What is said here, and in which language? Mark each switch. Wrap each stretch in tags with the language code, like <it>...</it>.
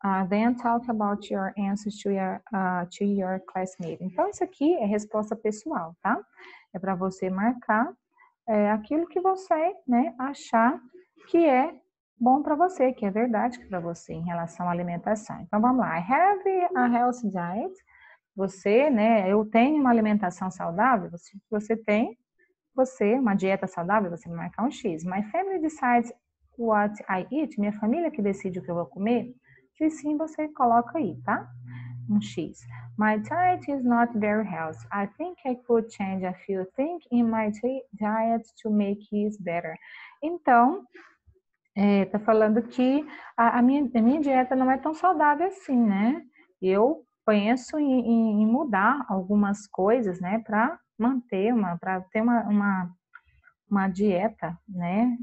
<en>Then talk about your answers to your classmate.</en> <pt>Então, isso aqui é resposta pessoal, tá? É para você marcar. É aquilo que você, né, achar que é bom para você, que é verdade para você em relação à alimentação. Então vamos lá.</pt> <en>I have a healthy diet.</en> <pt>Você, né, eu tenho uma alimentação saudável. Você tem uma dieta saudável. Você vai marcar um X.</pt> <en>My family decides what I eat.</en> <pt>Minha família que decide o que eu vou comer. Se sim, você coloca aí, tá? Um X.</pt> <en>My diet is not very healthy. I think I could change a few things in my diet to make it better.</en> <pt>Então, tá falando que a minha dieta não é tão saudável assim, né? Eu penso em mudar algumas coisas, né, para manter para ter uma dieta, né?</pt>